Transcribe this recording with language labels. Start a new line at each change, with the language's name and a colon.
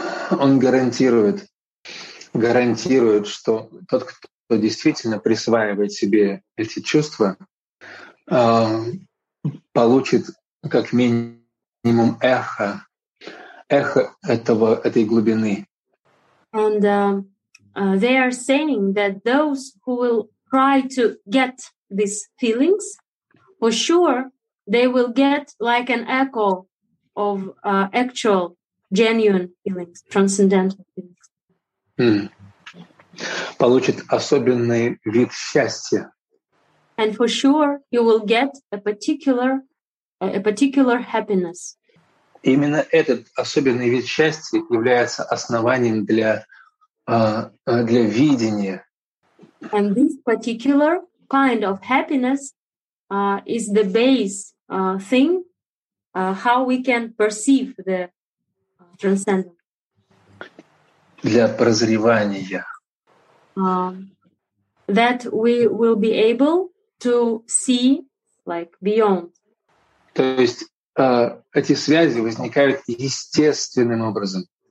Russian: Он гарантирует, что тот, кто действительно присваивает себе эти чувства, получит как минимум эхо этой глубины.
English: And they are saying that those who will try to get these feelings, for sure they will get like an echo of actual genuine feelings, transcendental feelings.
Russian: Получит особенный вид счастья.
English: And for sure you will get a particular happiness.
Russian: Именно этот особенный вид счастья является основанием для видения.
English: And this particular kind of happiness is the base thing how we can perceive the transcendent.
Russian: Для прозревания.
English: That we will be able to see like beyond.
Russian: То есть эти связи возникают естественным образом.